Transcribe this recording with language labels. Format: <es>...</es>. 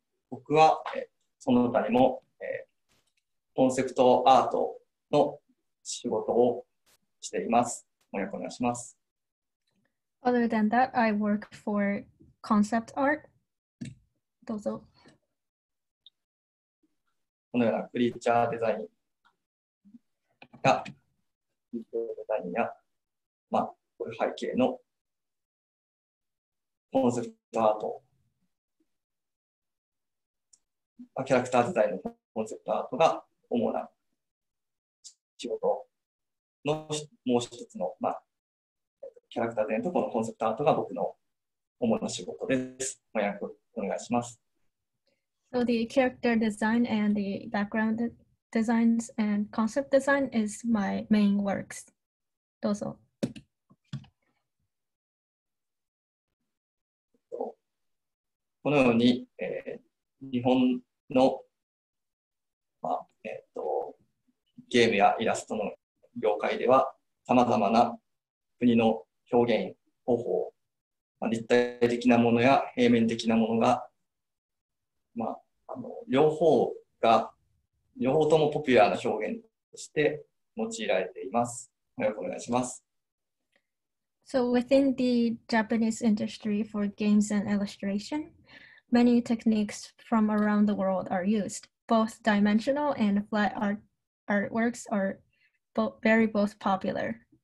<ja>僕はその他にも、コンセプトアートの仕事をしています。翻訳お願いします。</ja> <en>Other than that, I work for concept art.</en> <ja>どうぞ。このようなクリーチャーデザインや、まあ、背景のコンセプトアートキャラクターデザインのコンセプトアートが主な仕事のもう一つの、まあ、キャラクターデザインとこのコンセプトアートが僕の主な仕事です。お願いします。</ja> <en>So the character design and the background designs and concept design is my main works.</en> <ja>どうぞ。このように、日本の、まあゲームやイラストの業界ではさまざまな国の表現方法、まあ、立体的なものや平面的なものが、まあ、両方ともポピュラーな表現として用いられています。よろしくお願いします。</ja> <en>So within the Japanese industry for games and illustration,Many techniques from around the world are used. Both dimensional and flat artworks are both popular.</en>